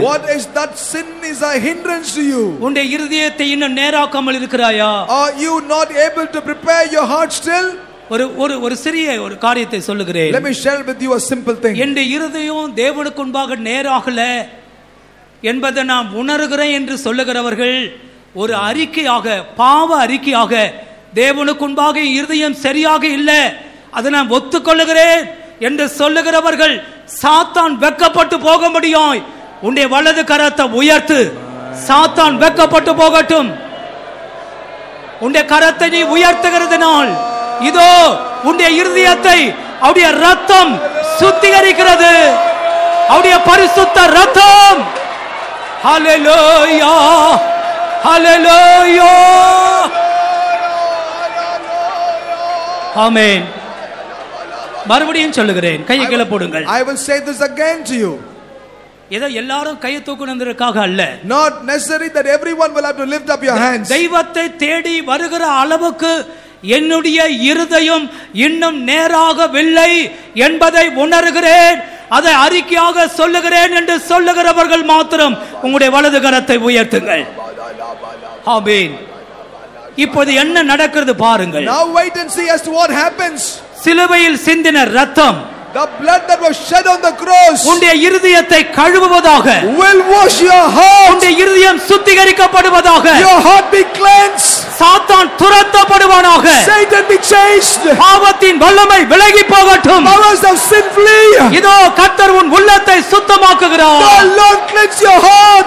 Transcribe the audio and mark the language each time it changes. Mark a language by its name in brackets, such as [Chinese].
[English] What is that sin is a hindrance to you? [Tamil] உன் இதயத்தை இன்னும் நேராக்காமல் இருக்கிறாயா? [English] Are you not able to prepare your heart still? [Tamil] ஒரு சிறிய ஒரு காரியத்தை சொல்லுகிறேன். [English] Let me share with you a simple thing. [Tamil] என் இதயம் தேவனுக்கு முன்பாக நேராகல என்பதை நான் உணர்கிறேன் என்று சொல்லுகிறவர்கள் ஒரு அறிக்கையாக, பாவ அறிக்கையாக, தேவனுக்கு முன்பாக இதயம் சரியாக இல்லை, அதை நான் ஒத்துக்கொள்ளுகிறேன் என்று சொல்லுகிறவர்கள் சாத்தான் வெக்கப்பட்டு போக முடியும். உன்னுடைய வலது கரத்தை உயர்த்து. சாத்தான் வெக்கப்பட்டு போகட்டும். உன்னுடைய கரத்தை நீ உயர்த்துகிறதுனால் இதோ உன்னுடைய இருதயத்தை அவருடைய ரத்தம் சுத்திகரிக்கிறது. அவருடைய பரிசுத்த ரத்தம். ஹல்லேலூயா, ஹல்லேலூயா, ஆமென். மறுபடியும் சொல்லுகிறேன், கையை கீழே போடுங்கள். [English] I will say this again to you. [Tamil] இதை எல்லாரும் கையை தூக்குனதற்காக அல்ல. [English] Not necessary that everyone will have to lift up your hands. [Tamil] தெய்வத்தை தேடி வருகிற அளவுக்கு என்னுடைய இருதயம் இன்னும் நேராகவில்லை என்பதை உணர்கிறேன், அதை அறிக்கையாக சொல்லுகிறேன் என்று சொல்லுகிறவர்கள் மாத்திரம் உங்களுடைய வலது கரத்தை உயர்த்துங்கள். ஆமீன். இப்போது என்ன நடக்கிறது பாருங்கள். [English] Now wait and see as to what happens. [Tamil] சிலுவையில் சிந்தின ரத்தம், [English] the blood that was shed on the cross, [Tamil] உன்னுடைய இருதயத்தை கழுவுவதாக, [English] will wash your heart, [Tamil] உன்னுடைய இருதயம் சுத்திகரிக்கப்படுவதாக, [English] your heart be cleansed, [Tamil] சாத்தான் துரத்தப்படுவானாக, [English] Satan be chased, [Tamil] பாவத்தின் வல்லமை விலகி போகட்டும், [English] powers of sin flee, [Tamil] இதோ கர்த்தர் உன் உள்ளத்தை சுத்தமாக்குகிறார், [English] the Lord cleanse your heart,